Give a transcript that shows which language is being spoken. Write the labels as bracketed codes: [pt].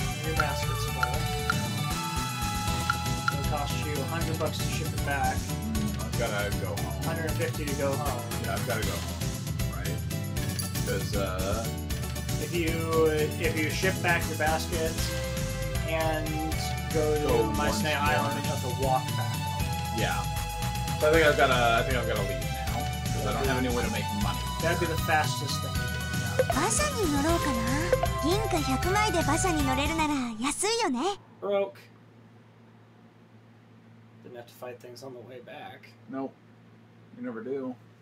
[en] I think I've got to leave now because I don't have any way to make money. That'd be the fastest thing. Yeah. [ja] 車に乗ろうかな。銀貨100枚で馬車に乗れるなら安いよね。 [en] Broke. Didn't have to fight things on the way back. Nope. You never do.